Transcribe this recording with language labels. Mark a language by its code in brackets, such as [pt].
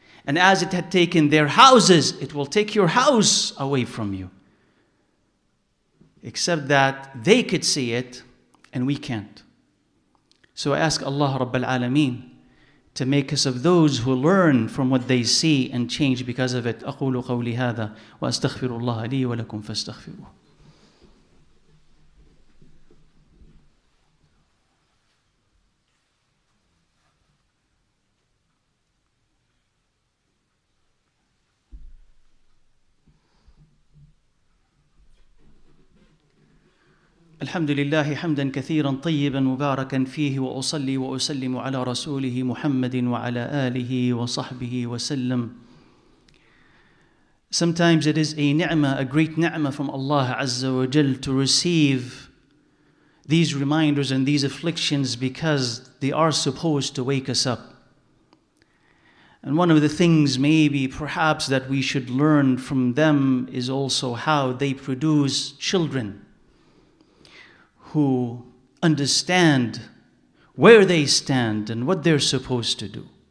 [en] And as it had taken their houses, it will take your house away from you. Except that they could see it and we can't. So I ask Allah Rabbil Alameen to make us of those who learn from what they see and change because of it. [ar] أقول قولي هذا وأستغفر الله لي ولكم فاستغفروه. الحمد لله حمدا كثيرا طيبا مباركا فيه وأصلي وأسلم على رسوله محمد وعلى آله وصحبه وسلم. [en] Sometimes it is a ni'mah, a great ni'mah from Allah Azza wa Jal to receive these reminders and these afflictions because they are supposed to wake us up. And one of the things maybe perhaps that we should learn from them is also how they produce children who understand where they stand and what they're supposed to do.